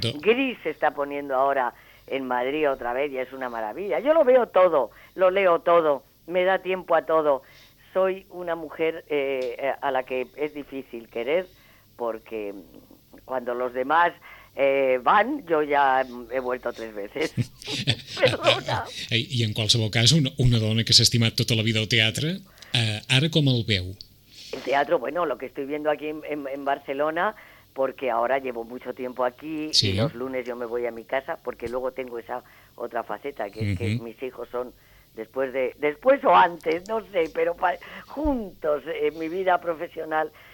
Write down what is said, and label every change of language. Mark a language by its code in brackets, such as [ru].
[es] Gris se está poniendo ahora en Madrid otra vez y es una maravilla. Yo lo veo todo, lo leo todo, me da tiempo a todo. Soy una mujer a la que es difícil querer, porque cuando los demás van, yo ya he vuelto 3 veces. Perdona. [ca] I en qualsevol cas, una dona que s'ha estimat tota la vida al teatre, ara com el veu? El teatre, [es] bueno, lo que estoy viendo aquí en Barcelona, porque ahora llevo mucho tiempo aquí, sí, y los lunes yo me voy a mi casa, porque luego tengo esa otra faceta, que es que mis hijos son... después o antes, no sé, pero juntos en mi vida profesional